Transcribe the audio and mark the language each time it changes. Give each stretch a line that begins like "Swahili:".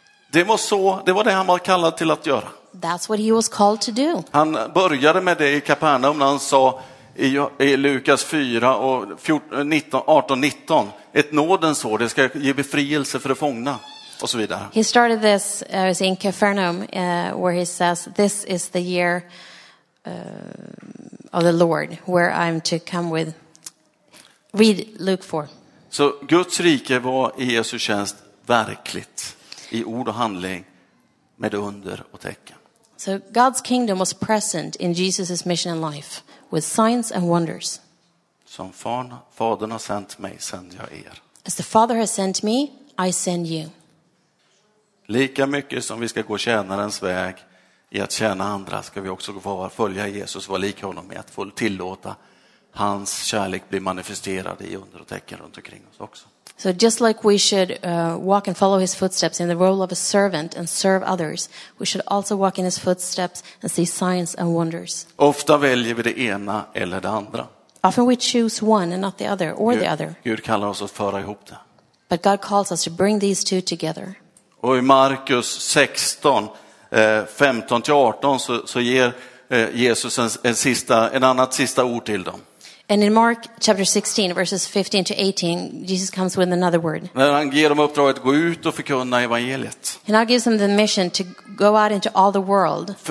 Swedish: Det var det han var kallad till att göra.
English: That's what he was called to do.
Swedish: Han började med det i Kapernaum när han sa i Lukas 4 och 18-19, ett nådens år, det ska ge befrielse för de fångna och så vidare.
English: He started this in Capernaum where he says this is the year of the Lord where I'm to come with, read Luke 4.
Swedish: Så Guds rike var i Jesu tjänst verkligt i ord och handling med under och tecken.
English: So God's kingdom was present in Jesus' mission in life with signs and wonders.
Swedish: Som fadern har sänt mig, sänder jag er.
English: As the Father has sent me, I send you.
Swedish: Lika mycket som vi ska gå tjänarens väg i att tjäna andra ska vi också få följa Jesus, vara lika honom i att få tillåta hans kärlek bli manifesterad i under och tecken runt omkring oss också.
English: So just like we should walk and follow his footsteps in the role of a servant and serve others, we should also walk in his footsteps and see signs and wonders.
Swedish: Ofta väljer vi det ena eller det andra.
English: Often we choose one and not the other or
Swedish: Gud,
English: the other.
Swedish: Gud kallar oss att föra ihop det.
English: But God calls us to bring these two together.
Swedish: Och i Markus 16, 15-18 så ger Jesus ett annat sista ord till dem.
English: And in Mark chapter 16 verses 15-18 Jesus comes with another word.
Swedish: När han ger dem uppdraget att gå ut och förkunna evangeliet.
English: He now gives them the mission to go out into all the world.